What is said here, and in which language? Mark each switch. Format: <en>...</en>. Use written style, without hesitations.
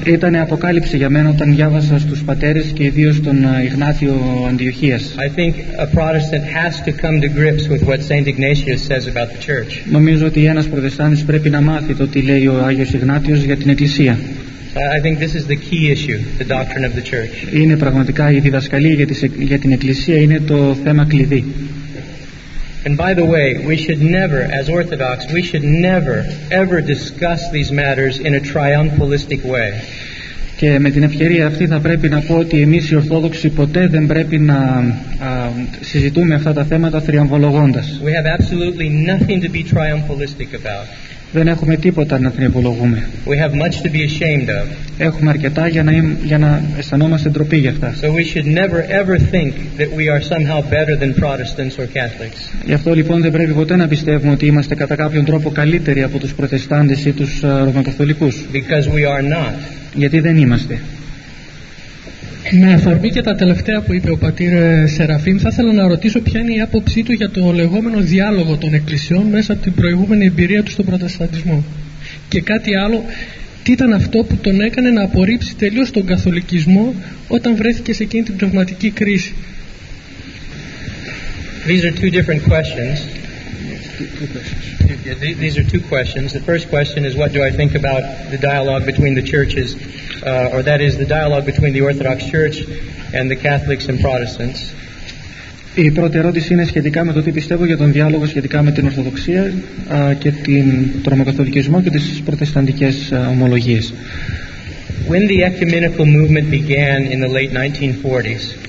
<el>Ήταν αποκάλυψη για μένα όταν διάβασα στους πατέρες και ιδίως τον Ιγνάτιο Αντιοχίας.</el> <en>I think a Protestant has to come to grips with what Saint Ignatius says about the church.</en> <el>Νομίζω ότι ένας Προτεστάντης πρέπει να μάθει το τι λέει ο Άγιος Ιγνάτιος για την Εκκλησία.</el> <en>I think this is the key issue, the doctrine of the church.</en> <el>Είναι πραγματικά η διδασκαλία για την Εκκλησία, είναι το θέμα κλειδί.</el> <en>And by the way, we should never, as Orthodox, we should never, ever discuss these matters in a triumphalistic way.</en> <el>Και με την ευκαιρία αυτή θα πρέπει να πω ότι εμείς οι Ορθόδοξοι ποτέ δεν πρέπει να συζητούμε αυτά τα θέματα θριαμβολογώντας.</el> <en>We have absolutely nothing to be triumphalistic about.</en> <el>Δεν έχουμε τίποτα να θριαμβολογούμε.</el> <en>We have much to be ashamed of.</en> <el>Έχουμε αρκετά για να αισθανόμαστε ντροπή για αυτά.</el> <en>So we should never ever think that we are somehow better than Protestants or Catholics.</en> <el>Γι' αυτό λοιπόν δεν πρέπει ποτέ να πιστεύουμε ότι είμαστε κατά κάποιον τρόπο καλύτεροι από τους Προτεστάντες ή τους Ρωμαιοκαθολικούς.</el> <en>Because we are not.</en> <el>Γιατί δεν είμαστε. Με αφορμή και τα τελευταία που είπε ο πατήρ Σεραφείμ, θα ήθελα να ρωτήσω ποια είναι η άποψή του για το λεγόμενο διάλογο των εκκλησιών μέσα από την προηγούμενη εμπειρία του στον Προτεσταντισμό. Και κάτι άλλο, τι ήταν αυτό που τον έκανε να απορρίψει τελείως τον καθολικισμό όταν βρέθηκε σε εκείνη την πνευματική κρίση.</el> <en>These are two different questions. These are two questions. The first question is what do I think about the dialogue between the churches, or that is the dialogue between the Orthodox Church and the Catholics and Protestants.</en> <el>Η πρώτη ερώτηση είναι σχετικά με το τι πιστεύω για τον διάλογο σχετικά με την Ορθοδοξία και την Ρωμαιοκαθολικισμό και τις Προτεσταντικές ομολογίες.</el> <en>When the ecumenical movement began in the late 1940s.</en>